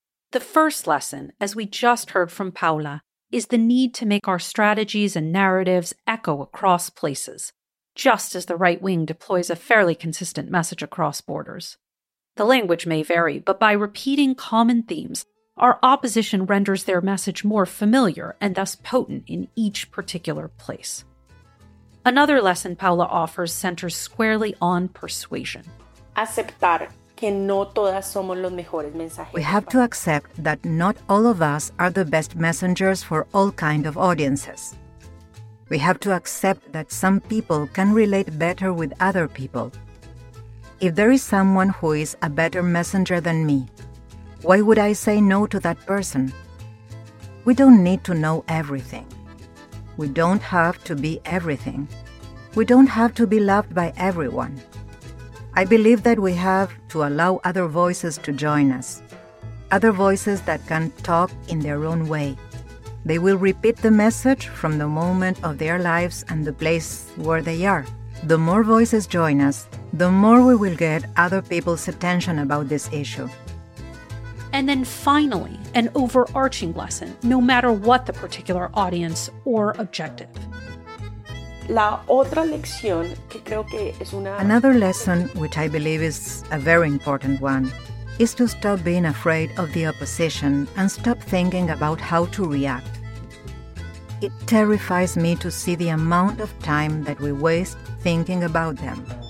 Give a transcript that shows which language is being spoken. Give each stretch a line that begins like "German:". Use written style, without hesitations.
English: The first lesson, as we just heard from Paula, is the need to make our strategies and narratives echo across places, just as the right wing deploys a fairly consistent message across borders. The language may vary, but by repeating common themes, our opposition renders their message more familiar and thus potent in each particular place. Another lesson Paula offers centers squarely on persuasion.
Spanish: Aceptar que no todas somos los mejores mensajeros.
English: We have to accept that not all of us are the best messengers for all kinds of audiences. We have to accept that some people can relate better with other people. If there is someone who is a better messenger than me, Why would I say no to that person? We don't need to know everything. We don't have to be everything. We don't have to be loved by everyone. I believe that we have to allow other voices to join us. Other voices that can talk in their own way. They will repeat the message from the moment of their lives and the place where they are. The more voices join us, the more we will get other people's attention about this issue. And then finally, an overarching lesson, no matter what the particular audience or objective.
Spanish: La otra lección que creo que es una...
English: Another lesson, which I believe is a very important one, is to stop being afraid of the opposition and stop thinking about how to react. It terrifies me to see the amount of time that we waste thinking about them.